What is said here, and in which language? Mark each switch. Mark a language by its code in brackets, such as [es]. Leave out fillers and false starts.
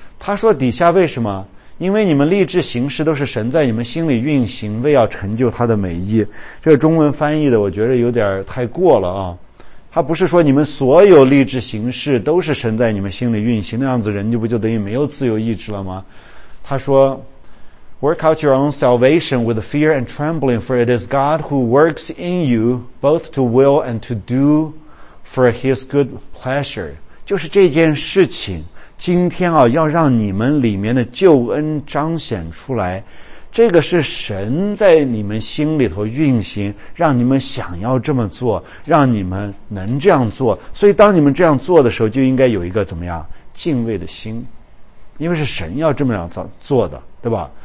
[zh] 他说底下为什么？因为你们立志行事都是神在你们心里运行，为要成就他的美意。这个中文翻译的我觉得有点太过了啊，他不是说你们所有立志行事都是神在你们心里运行，那样子人就不就等于没有自由意志了吗？他说 [en] work out your own salvation with fear and trembling, for it is God who works in you both to will and to do for his good pleasure。 [zh] 就是这件事情今天啊，要让你们里面的救恩彰显出来，这个是神在你们心里头运行，让你们想要这么做，让你们能这样做。所以当你们这样做的时候，就应该有一个怎么样敬畏的心，因为是神要这么样做的，对吧？